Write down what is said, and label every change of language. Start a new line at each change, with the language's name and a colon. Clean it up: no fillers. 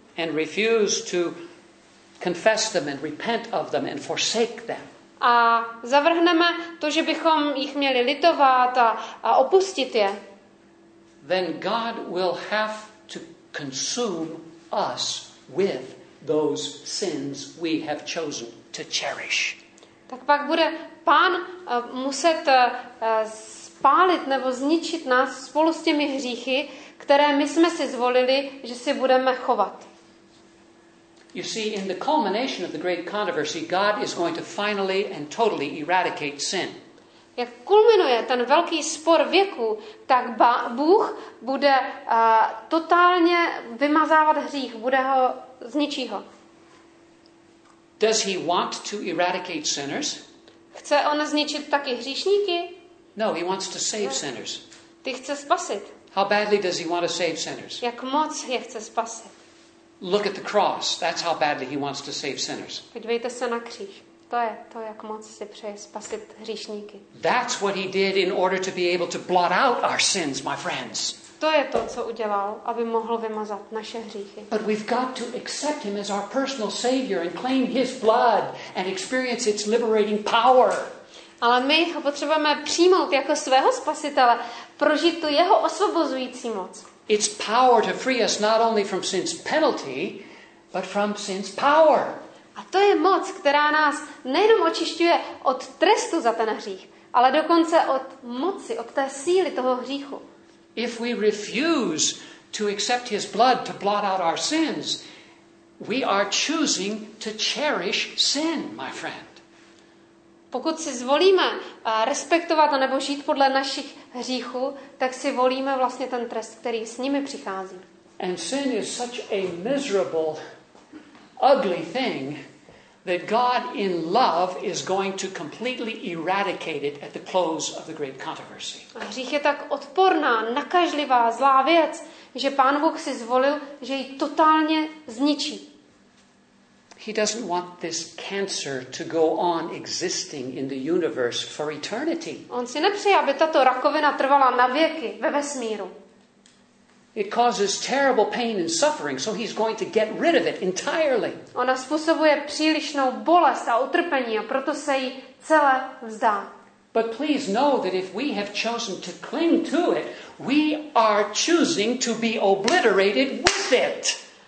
English: And refuse to confess them and repent of them and forsake them.
Czech: A zavrhneme to, že bychom jich měli litovat a opustit je.
English: Then God will have to consume us with those sins we have chosen to cherish.
Czech: Tak pak bude Pán muset spálit nebo zničit nás spolu s těmi hříchy, které my jsme si zvolili, že si budeme chovat.
English: You see, in the culmination of the great controversy, God is going to finally and totally eradicate sin.
Czech: Jak kulminuje ten velký spor věku, tak Bůh bude totálně vymazávat hřích, bude ho zničí ho.
English: Does he want to eradicate sinners?
Czech: Chce on zničit taky hříšníky?
English: No, he wants to save sinners.
Czech: Ty chce spasit.
English: How badly does he want to save sinners?
Czech: Jak moc je chce spasit?
English: Look at the cross. That's how badly he wants to save sinners.
Czech: Podívejte se na kříž. To je to, jak moc si přeje spasit hříšníky.
English: That's what he did in order to be able to blot out our sins, my friends.
Czech: To je to, co udělal, aby mohl vymazat naše hříchy.
English: But we've got to accept him as our personal savior and claim his blood and experience its liberating power.
Czech: Ale my ho potřebujeme přijmout jako svého spasitele, prožít tu jeho osvobozující moc.
English: Its power to free us not only from sin's penalty, but from sin's power.
Czech: A to je moc, která nás nejenom očišťuje od trestu za ten hřích, ale dokonce od moci, od té síly toho hříchu.
English: If we refuse to accept his blood to blot out our sins, we are choosing to cherish sin, my friend.
Czech: Pokud si zvolíme respektovat nebo žít podle našich hříchů, tak si volíme vlastně ten trest, který s nimi přichází.
English: And sin is such a miserable, ugly thing that God in love is going to completely eradicate it at the close of the great controversy.
Czech: A hřích je tak odporná, nakažlivá, zlá věc, že Pán Bůh si zvolil, že ji totálně zničí.
English: He doesn't want this cancer to go on existing in the universe for eternity.
Czech: On si nepřeje, aby tato rakovina trvala na věky ve vesmíru.
English: It causes terrible pain and suffering, so he's going to get rid of it entirely.
Czech: Ona způsobuje přílišnou bolest a utrpení, a proto se jí celé vzdá.
English: But please know that if we have chosen to cling to it, we are choosing to be obliterated with it.